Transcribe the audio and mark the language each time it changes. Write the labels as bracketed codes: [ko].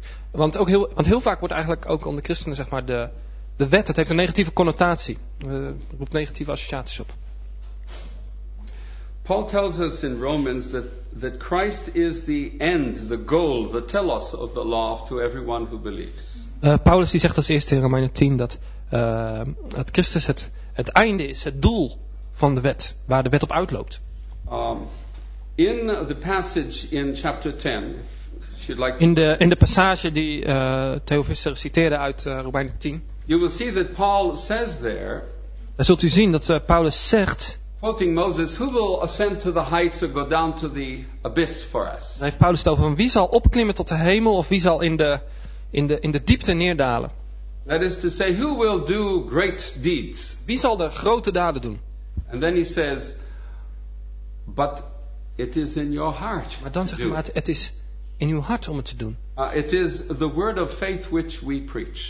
[nl] Want ook heel vaak wordt eigenlijk ook onder christenen, zeg maar, de wet, dat heeft een negatieve connotatie. Het roept negatieve associaties op. [en] Paul tells us in Romans that Christ is the end, the goal, the telos of the law to everyone who believes. [nl] Paulus die zegt als eerste in Romeinen 10 dat Christus het einde is, het doel van de wet, waar de wet op uitloopt. [en] In the passage in chapter 10, [nl] in de passage die Theo Visser citeerde uit Romeinen 10. [en] You will see that Paul says there. [nl] Dan zult u zien dat Paulus zegt. [en] Quoting Moses, who will ascend to the heights or go down to the abyss for us? [nl] Dan heeft Paulus het over wie zal opklimmen tot de hemel of wie zal in de diepte neerdalen? [en] That is to say, who will do great deeds? [nl] Wie zal de grote daden doen? [en] And then he says, but it is in your heart. [nl] Maar dan zegt hij, maar het is in uw hart om het te doen. [en] It is the word of faith which we preach.